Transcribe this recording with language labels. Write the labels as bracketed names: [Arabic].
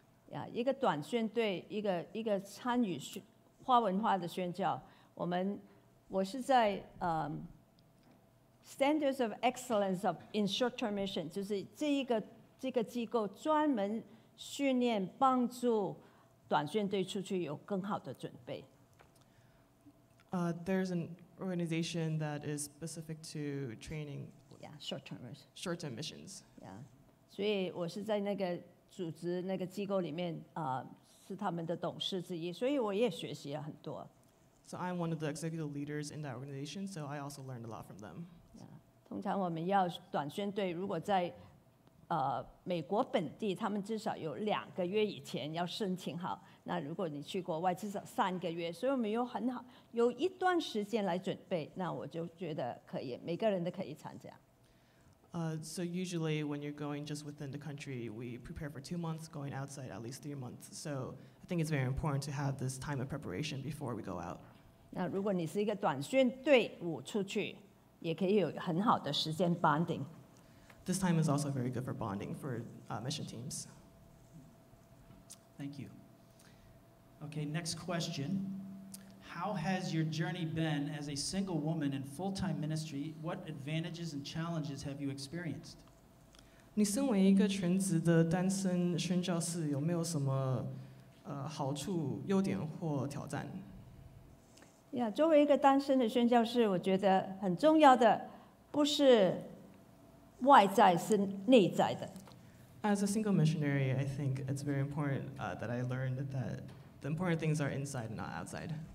[Chinese] Yeah, 一个短宣队，一个参与跨文化的宣教，我是在 Standards of Excellence of in Short-Term Mission, 就是这一个机构专门训练帮助短宣队出去有更好的准备。 [English] There's an organization that is specific to training. Yeah, short-termers. Short-term missions. [Chinese] Yeah, 所以我是在那个组织那个机构里面，是他们的董事之一，所以我也学习了很多。 [English] So I'm one of the executive leaders in that organization, so I also learned a lot from them. [Chinese] 通常我们要短宣队，如果在美国本地，他们至少有2个月以前要申请好。那如果你去国外，至少3个月，所以我们有很好有一段时间来准备。那我就觉得可以，每个人都可以参加。 [English] So usually when you're going just within the country, we prepare for 2 months, going outside at least 3 months. So I think it's very important to have this time of preparation before we go out. [Chinese] 那如果你是一个短宣队伍出去。也可以有很好的时间 bonding. [English] This time is also very good for bonding for mission teams. Thank you. Okay, next question. How has your journey been as a single woman in full-time ministry? What advantages and challenges have you experienced? [Chinese] 你身为一个全职的单身宣教士，有没有什么好处、优点或挑战？ Yeah, 作为一个单身的宣教士，我觉得很重要的不是外在，是内在的。 [English] As a single missionary, I think it's very important that I learned that the important things are inside, not outside.